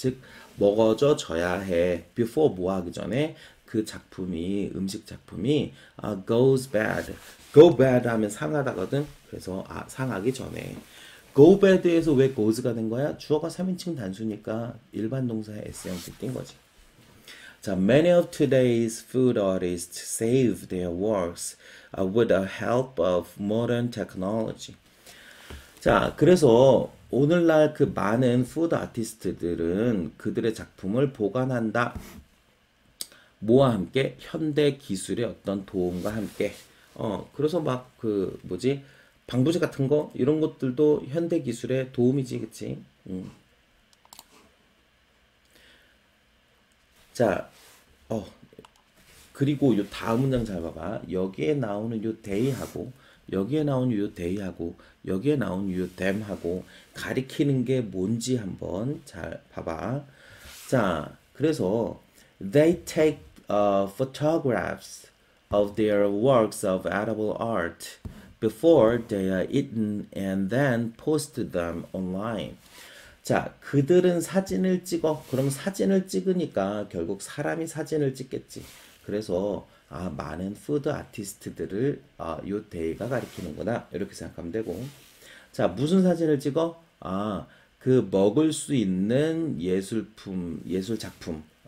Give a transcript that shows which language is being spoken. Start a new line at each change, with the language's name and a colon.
Korean: 즉 먹어져 져야 해. Before 뭐 하기 전에 그 작품이 음식 작품이
English: goes bad. Go bad
Korean: 하면 상하다거든. 그래서 아 상하기 전에
English: go bad
Korean: 에서 왜 goes가 된 거야? 주어가 3인칭 단수니까 일반 동사에 S 형태 띈 거지.
English: 자, many of today's food artists save their works with the help of modern technology.
Korean: 자, 그래서 오늘날 그 많은 food 아티스트들은 그들의 작품을 보관한다. 뭐와 함께? 현대 기술의 어떤 도움과 함께. 그래서 막그 뭐지? 방부제 같은 거 이런 것들도 현대 기술의 도움이지, 그치? 자, 그리고 요 다음 문장 잘 봐봐. 여기에 나오는 요 they하고, 여기에 나온 요 they하고, 여기에 나온 요 them하고, 가리키는 게 뭔지 한번 잘 봐봐.
English: 자, 그래서, they take photographs of their works of edible art before they are eaten and then post them online.
Korean: 자, 그들은 사진을 찍어. 그럼 사진을 찍으니까 결국 사람이 사진을 찍겠지. 그래서 아, 많은 푸드 아티스트들을 아, 요 데이가 가리키는구나. 이렇게 생각하면 되고. 자, 무슨 사진을 찍어? 아, 그 먹을 수 있는 예술 작품.